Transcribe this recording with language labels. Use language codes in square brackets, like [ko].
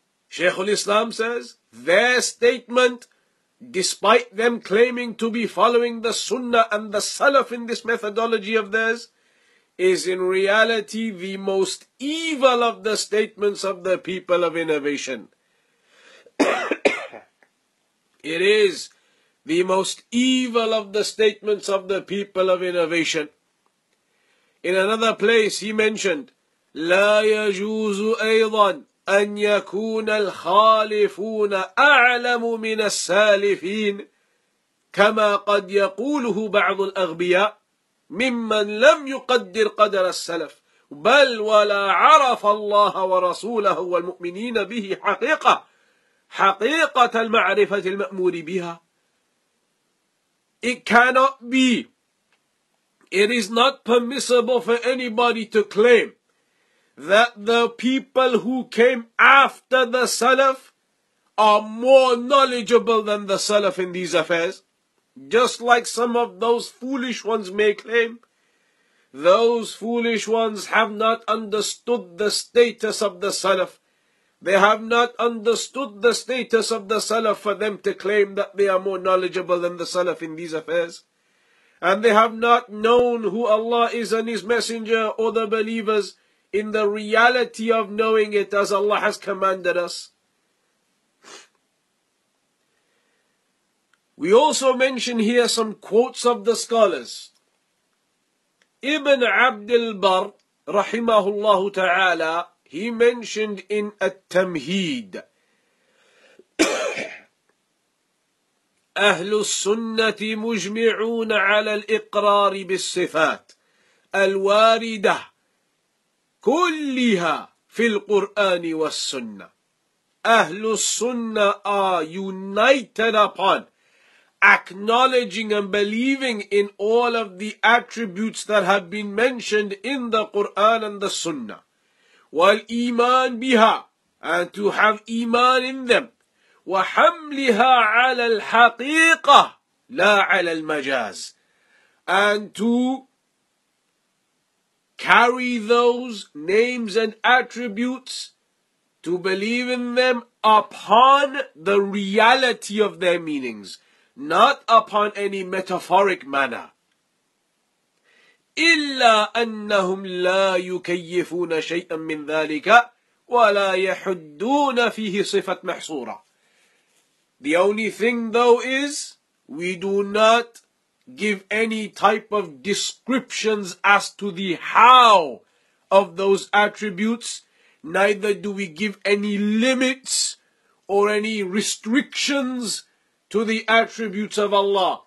[en] Shaykhul Islam says, their statement, despite them claiming to be following the Sunnah and the Salaf in this methodology of theirs, is in reality the most evil of the statements of the people of innovation. It is the most evil of the statements of the people of innovation. In another place he mentioned, [ar] لا يجوز أيضا أن يكون الخالفون أعلم من السالفين كما قد يقوله بعض الأغبياء ممن لم يقدر قدر السلف بل ولا عرف الله ورسوله والمؤمنين به حقيقة حقيقة المعرفة المأمور بها. [en] It cannot be. It is not permissible for anybody to claim that the people who came after the Salaf are more knowledgeable than the Salaf in these affairs. Just like some of those foolish ones may claim, those foolish ones have not understood the status of the Salaf. They have not understood the status of the Salaf for them to claim that they are more knowledgeable than the Salaf in these affairs. And they have not known who Allah is and His Messenger or the believers in the reality of knowing it as Allah has commanded us. We also mention here some quotes of the scholars. Ibn Abd al-Barr, rahimahullah ta'ala, he mentioned in At-Tamheed, [ar] أهل السنة مجمعون على الإقرار بالصفات الواردة كلها في القرآن والسنة. [en] أهل السنة are united upon acknowledging and believing in all of the attributes that have been mentioned in the Quran and the Sunnah. [ar] والإيمان بها, [en] and to have إيمان in them. [ar] وحملها على الحقيقة لا على المجاز, [en] and to carry those names and attributes, to believe in them upon the reality of their meanings, not upon any metaphoric manner. [ar] إلا أنهم لا يكيفون شيئا من ذلك ولا يحدون فيه صفة محصورة. [en] The only thing though is, we do not give any type of descriptions as to the how of those attributes, neither do we give any limits or any restrictions to the attributes of Allah.